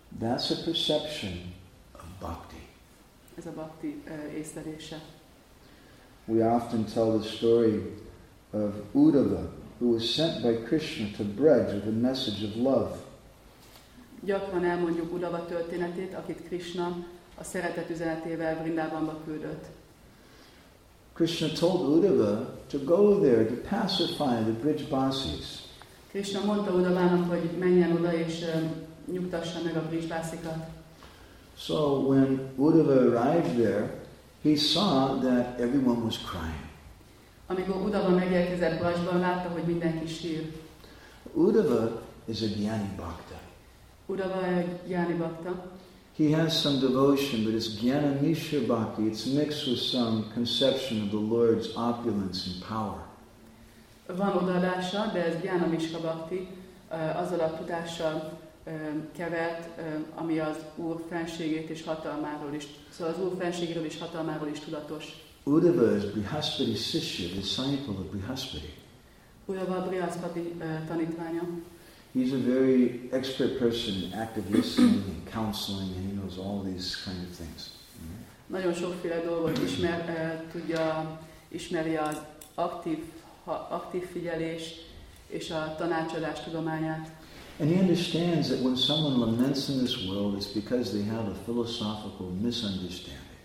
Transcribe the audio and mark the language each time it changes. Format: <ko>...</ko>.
<en>That's a perception of bhakti.</en> <hu>Ez a bhakti észlelése.</hu> <en>We often tell the story of Uddhava, who was sent by Krishna to Braj with a message of love.</en> <hu>Gyakran elmondjuk Uddhava történetét, akit Krishna a szeretet üzenetével Vrindavanba küldött.</hu> <en>Krishna told Uddhava to go there to pacify the Brijbasis.</en> <hu>Krishna mondta Uddhavának, hogy menjen oda és nyugtassa meg a Brijbasikat.</hu> <en>So when Uddhava arrived there, he saw that everyone was crying.</en> <hu>Amikor Uddhava megérkezett Brajban, látta, hogy mindenki sír.</hu> <en>Uddhava is a gyani bhakta.</en> <hu>Uddhava egy gyáni bhakta.</hu> <en>He has some devotion, but it's gyana nishya bhakti. It's mixed with some conception of the Lord's opulence and power.</en> <hu>Van odaadása, de ez gyana nishya bhakti, azzal a tudással kevert, ami az Úr fenségét és hatalmáról is. Szóval az Úr fenségéről és hatalmáról is tudatos.</hu> <en>Uddhava is Brihaspati sishya, disciple of Brihaspati.</en> <hu>Uddhava a Brihaspati tanítványa.</hu> <en>He's a very expert person in active listening and counseling, and he knows all these kind of things.</en> <hu>Nagyon sokféle dolgot ismer, tudja, ismeri az aktív figyelés és a tanácsadás tudományát.</hu> <en>And he understands that when someone laments in this world, it's because they have a philosophical misunderstanding.</en>